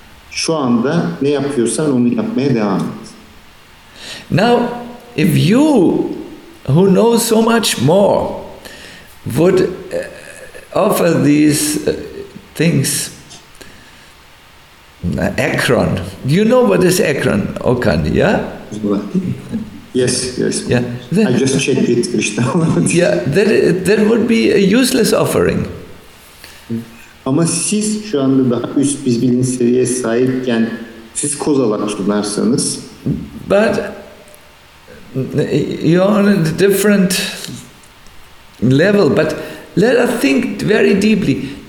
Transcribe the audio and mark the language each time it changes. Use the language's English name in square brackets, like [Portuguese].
[Turkish] Şu anda ne yapıyorsan onu yapmaya devam et. [English] Now, if you, who know so much more, would offer these things, acorn. Do you know what is acorn, Okan? Yeah? Yes. Yeah. I just checked it, Krishna. Yeah, that would be a useless offering. [Turkish] Ama siz şu anda daha üst bir bilinç seviyeye sahipken siz kozalak sunarsanız. [English] But you're on a different level, but let us think very deeply.